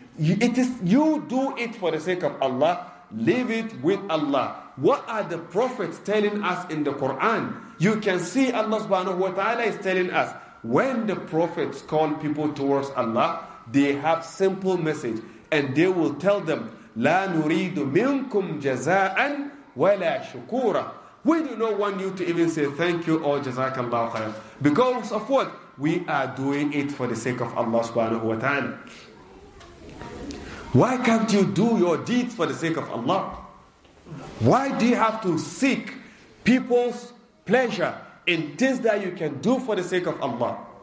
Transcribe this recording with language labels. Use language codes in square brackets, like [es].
[en] It is you do it for the sake of Allah. Leave it with Allah. What are the prophets telling us in the Quran? You can see Allah subhanahu wa ta'ala is telling us. When the prophets call people towards Allah, they have simple message. And they will tell them, [ar] لا نريد منكم جزاء ولا شكورا. [en] We do not want you to even say thank you or jazakallahu khair. Because of what? We are doing it for the sake of Allah subhanahu wa ta'ala. Why can't you do your deeds for the sake of Allah? Why do you have to seek people's pleasure in things that you can do for the sake of Allah?